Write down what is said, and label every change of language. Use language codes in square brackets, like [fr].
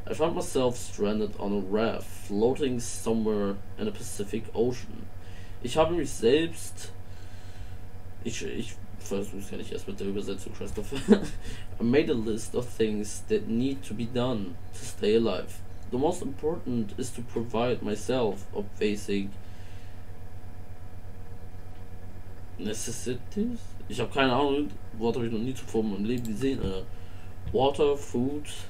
[en] I found myself stranded on a raft, floating somewhere in the Pacific Ocean. [de] Ich habe mich selbst. Ich versuche es gar nicht erst mit der Übersetzung, Christopher. [en] I made a list of things that need to be done to stay alive. The most important is to provide myself a basic necessities? [de] Ich habe keine Ahnung, Wort habe ich noch nie zuvor in meinem Leben gesehen. [en] Water, Food.